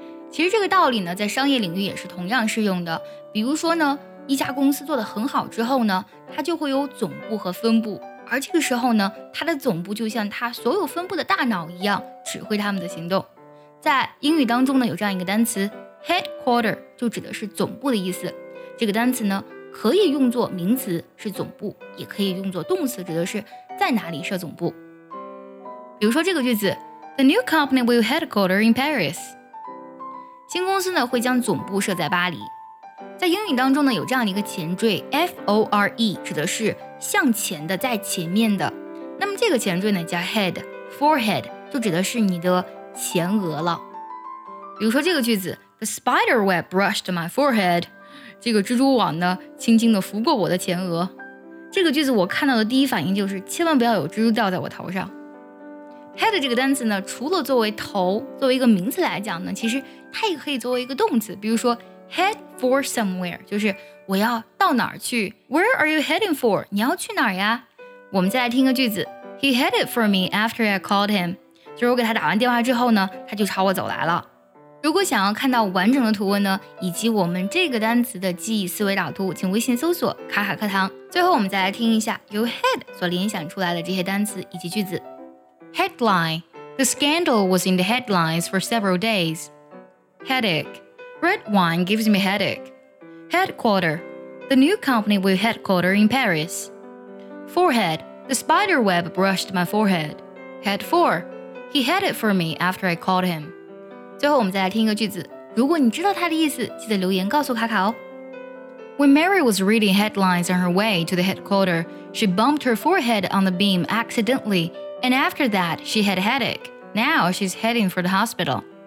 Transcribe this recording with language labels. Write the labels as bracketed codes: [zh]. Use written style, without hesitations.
[zh] 其实这个道理呢在商业领域也是同样适用的。比如说呢，一家公司做得很好之后呢，它就会有总部和分部，而这个时候呢，它的总部就像它所有分部的大脑一样，指挥他们的行动。在英语当中呢，有这样一个单词 headquarter， 就指的是总部的意思。这个单词呢，可以用作名词是总部，也可以用作动词，指的是在哪里设总部。比如说这个句子 [en] ，The new company will headquarter in Paris。 [zh] 新公司呢会将总部设在巴黎。在英语当中呢，有这样一个前缀 fore， 指的是向前的，在前面的。那么这个前缀呢加 head，forehead 就指的是你的。前额了。比如说这个句子 [en] The spider web brushed my forehead， [zh] 这个蜘蛛网呢轻轻地拂过我的前额。这个句子我看到的第一反应就是千万不要有蜘蛛掉在我头上。 head 这个单词呢，除了作为头作为一个名词来讲呢，其实它也可以作为一个动词。比如说 head for somewhere， 就是我要到哪儿去。 [en] Where are you heading for？ [zh] 你要去哪儿呀。我们再来听个句子 [en] He headed for me after I called him， [zh] 就是我给他打完电话之后呢，他就朝我走来了。如果想要看到完整的图文呢，以及我们这个单词的记忆思维导图，请微信搜索卡卡课堂。最后我们再来听一下由 head 所联想出来的这些单词以及句子。 [en] Headline The scandal was in the headlines for several days. Headache Red wine gives me headache. Headquarter The new company will headquarter in Paris. Forehead The spider web brushed my forehead. Head for He headed for me after I called him. [zh] 最后我们再来听一个句子，如果你知道它的意思，记得留言告诉卡卡哦。 [en] When Mary was reading headlines on her way to the headquarter, she bumped her forehead on the beam accidentally, and after that, she had a headache. Now she's heading for the hospital.